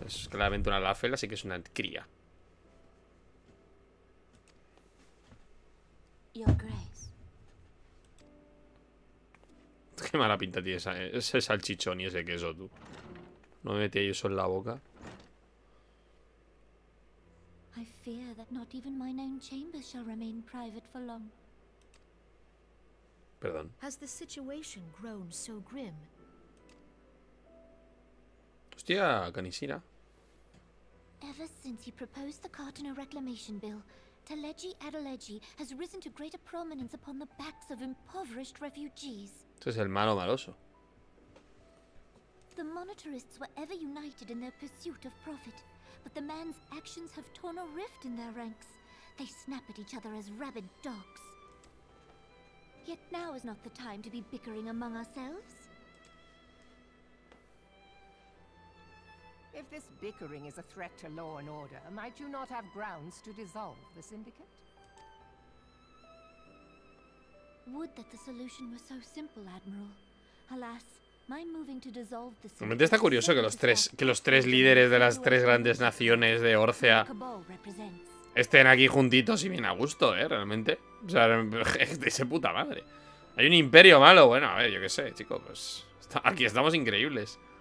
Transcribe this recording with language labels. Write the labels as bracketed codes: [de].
[es] Es claramente una Laffel, así que es una cría. Qué mala pinta tiene ese salchichón y ese queso, tú. No me metí eso en la boca. [en] I fear that not even my own chamber shall remain private for long. [es] Perdón. [en] Has the situation grown so grim? [es] Hostia, Canisira. [en] Ever since he proposed the Cardinal Reclamation Bill, Taleji Adeleji has risen to greater prominence upon the backs of impoverished refugees. [es] Esto es el malo maloso. [en] The monetarists were ever united in their pursuit of profit, but the man's actions have torn a rift in their ranks. They snap at each other as rabid dogs. Yet now is not the time to be bickering among ourselves. If this bickering is a threat to law and order, might you not have grounds to dissolve the syndicate? Would that the solution were so simple, Admiral. Alas, my moving to dissolve the syndicate. [es] Realmente está curioso que los tres líderes de las tres grandes naciones de Orcea estén aquí juntitos y bien a gusto, realmente. O sea, de ese puta madre. Hay un imperio malo. Bueno, a ver, yo qué sé, chicos. Pues aquí estamos increíbles.